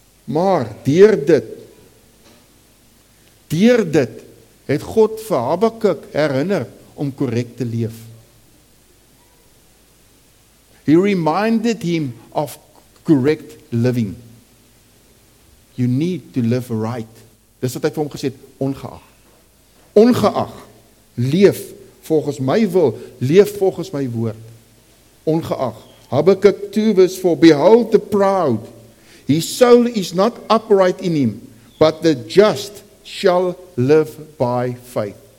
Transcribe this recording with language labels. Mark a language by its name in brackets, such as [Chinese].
[Afrikaans] Maar deur dit het God vir Habakuk herinner om korrek te leef. [English] He reminded him of correct living. You need to live right. [Afrikaans] Dis wat hy vir hom gesê het, ongeag. Ongeag. Leef volgens my wil, leef volgens my woord. Ongeag. [English] Habakuk 2 verse 4, behold the proud. His soul is not upright in him, but the just shall live by faith.